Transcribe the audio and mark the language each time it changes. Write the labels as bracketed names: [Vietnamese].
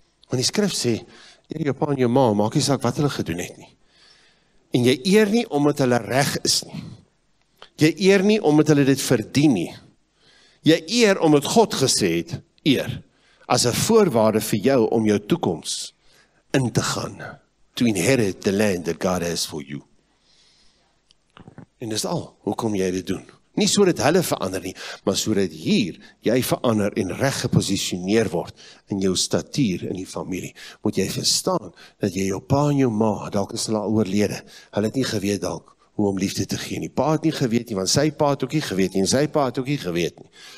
[Afrikaans] Want die skrif sê, eer jou pa en jou ma, maak jy saak wat hulle gedoen het nie. En jy eer nie, omdat hulle reg is nie. Jy eer nie, omdat hulle dit verdien nie. Jy eer, omdat God gesê het, eer, as 'n voorwaarde vir jou, om jou toekoms in te gaan. [English] to inherit the land that God has for you. [Afrikaans] En dis al, hoekom jy dit doen? Nie so dat hulle verander nie, maar so dat hier, jy verander en reg gepositioneer word in jou statuur in die familie. Moet jy verstaan, dat jy jou pa en jou ma, dalk is hulle al oorlede, hulle het nie geweet dalk, hoe om liefde te gee nie. Pa het nie geweet nie, want sy pa het ook nie geweet nie, en sy pa het ook nie geweet nie.